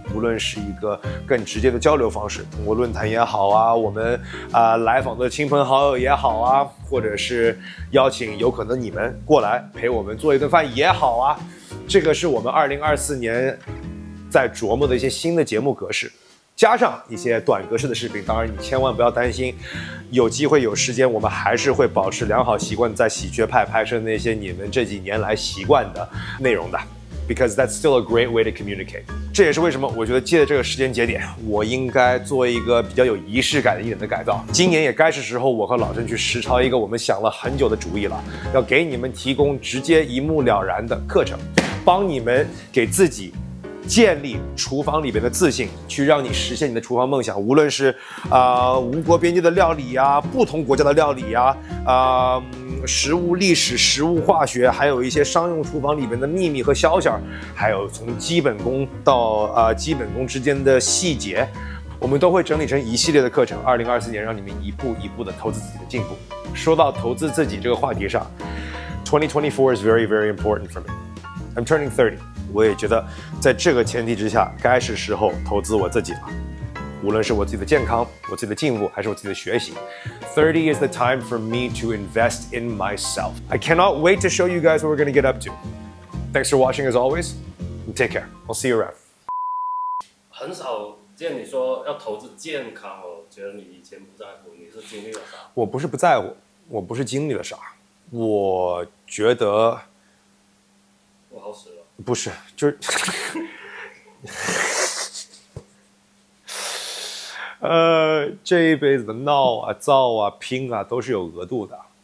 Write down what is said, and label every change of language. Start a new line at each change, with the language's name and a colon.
Chinese: 无论是一个更直接的交流方式，通过论坛也好啊，我们来访的亲朋好友也好啊，或者是邀请有可能你们过来陪我们做一顿饭也好啊，这个是我们2024年在琢磨的一些新的节目格式。加上一些短格式的视频，当然你千万不要担心，有机会有时间我们还是会保持良好习惯，在喜鹊派拍摄那些你们这几年来习惯的内容的。
English: Because that's still a great way to communicate.
Chinese: 这也是为什么我觉得借着这个时间节点，我应该做一个比较有仪式感的一点的改造。今年也该是时候我和老郑去实操一个我们想了很久的主意了，要给你们提供直接一目了然的课程，帮你们给自己建立厨房里边的自信，去让你实现你的厨房梦想。无论是无国边界的料理啊，不同国家的料理啊，食物历史、食物化学，还有一些商用厨房里边的秘密和小巧，还有从基本功到基本功之间的细节，我们都会整理成一系列的课程。 2024年，让你们一步一步的投资自己的进步。说到投资自己这个话题上
English: ，2024 is very very important for me. I'm turning 30.
Chinese: 我也觉得在这个前提之下该是时候投资我自己了，无论是我自己的健康，我自己的进步，还是我自己的学习。
English: 30 is the time for me to invest in myself. I cannot wait to show you guys what we're going to get up to. Thanks for watching as always, and take care. I'll see you around.
Chinese: 很少见你说要投资健康，我觉得你以前不在乎，你是经历了啥？我不是不在乎，我不是经历了啥，我觉得我好死了。不是，就是，这一辈子的闹啊、造啊、拼啊，都是有额度的。